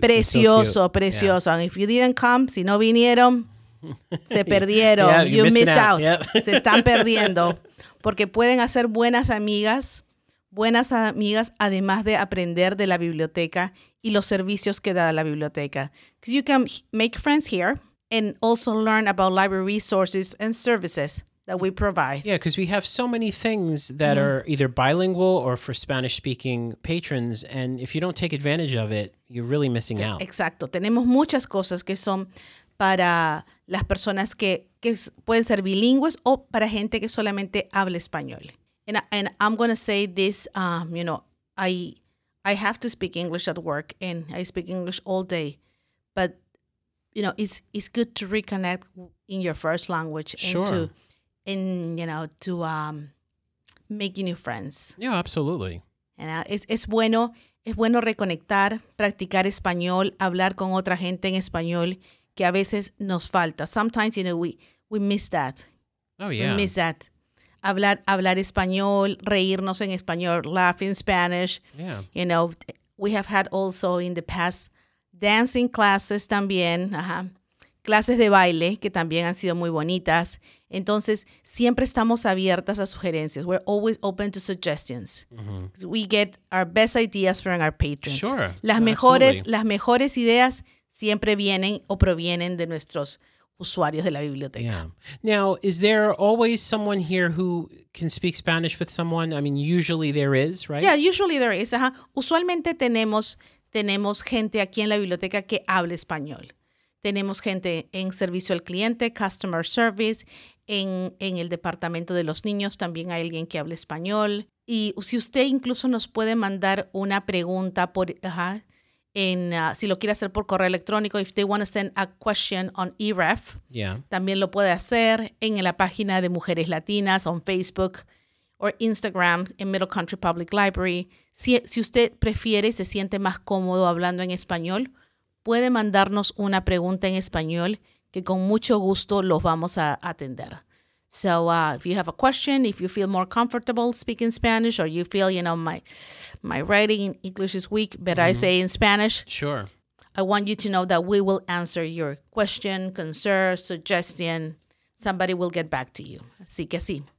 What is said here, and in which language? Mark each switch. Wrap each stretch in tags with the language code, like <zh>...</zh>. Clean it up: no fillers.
<en>Precioso, so cute. Precioso. Yeah. And if you didn't come,</en> <es>si no vinieron, se perdieron.</es> <en>Yeah, you missed out. Yep.</en> <es>Se están perdiendo. Porque pueden hacer buenas amigas, buenas amigas, además de aprender de la biblioteca y los servicios que da la biblioteca.</es> <en>Because you can make friends here and also learn about library resources and services that we provide. Yeah, because we have so many things that are either bilingual or for Spanish-speaking patrons, and if you don't take advantage of it, you're really missing out.</en> <es>Exacto. Tenemos muchas cosas que son para las personas que pueden ser bilingües o para gente que solamente habla español.</es> <en>And I'm going to say this, you know, I have to speak English at work, and I speak English all day, but, you know, it's good to reconnect in your first language. Sure. And to make new friends. Yeah, absolutely.</en> <es>And es bueno reconectar, practicar español, hablar con otra gente en español que a veces nos falta.</es> <en>Sometimes, you know, we miss that. Oh yeah. We miss that.</en> <es>Hablar español, reírnos en español,</es> <en>laugh in Spanish. Yeah. You know, we have had also in the past dancing classes también. Ajá.</en> <es>Clases de baile que también han sido muy bonitas. Entonces, siempre estamos abiertas a sugerencias.</es> <en>We're always open to suggestions. Mm-hmm. We get our best ideas from our patrons. Sure.</en> <es>Las mejores ideas siempre vienen o provienen de nuestros usuarios de la biblioteca.</es> <en>Yeah. Now, is there always someone here who can speak Spanish with someone? I mean, usually there is, right? Yeah, usually there is. Ajá.</en> <es>Usualmente tenemos gente aquí en la biblioteca que habla español. Tenemos gente en servicio al cliente,</es> <en>customer service,</en> <es>en el departamento de los niños también hay alguien que hable español. Y si usted incluso nos puede mandar una pregunta si lo quiere hacer por correo electrónico,</es> <en>if they want to send a question on eRef, yeah,</en> <es>también lo puede hacer en la página de Mujeres Latinas,</es> <en>on Facebook or Instagram,</en> <es>en Middle Country Public Library. Si usted prefiere y se siente más cómodo hablando en español, puede mandarnos una pregunta en español que con mucho gusto los vamos a atender.</es> <en>So if you have a question, if you feel more comfortable speaking Spanish, or you feel, you know, my writing in English is weak, but I say in Spanish. Sure. I want you to know that we will answer your question, concern, suggestion. Somebody will get back to you.</en> <es>Así que sí.</es>